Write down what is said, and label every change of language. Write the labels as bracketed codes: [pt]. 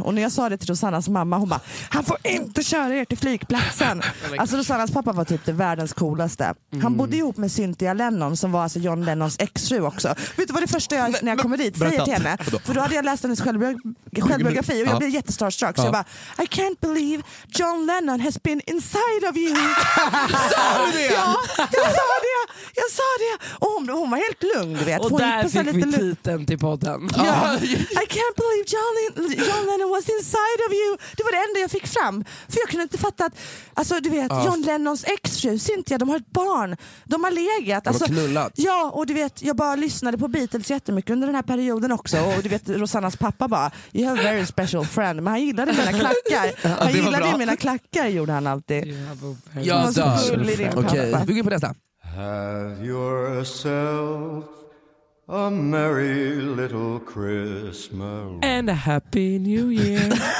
[sv] Och när jag sa det till Rosannas mamma, hon bara, han får inte köra er till flygplatsen. Alltså Rosannas pappa var typ det världens coolaste. Han bodde ihop med Cynthia Lennon, som var alltså John Lennons exfru också. Vet du vad det första jag, när jag kommer dit, säger till henne? För då hade jag läst hennes självbiografi och jag blev jättestarstruck. Så jag bara, [en] I can't believe John Lennon has been inside of you. [sv] Sa du det? Ja, jag sa det. Och hon var helt lugn. Och där fick vi titeln till podden. [en] Yeah. I can't believe John Lennon was inside of you. [sv] Det var det enda jag fick fram. För jag kunde inte fatta att, alltså du vet, John Lennons exfru, Cynthia, de har ett barn. De har legat. De har knullat. Ja, och du vet, jag bara lyssnade på Beatles jättemycket under den här perioden också. Och du vet, Rosannas pappa bara, [en] you have a very special friend. [sv] Men han gillade mina klackar. Han gillade mina klackar, gjorde han alltid. Jag dör. Okej, vi går på nästa. [en] Have yourself A merry little Christmas. And a happy new year.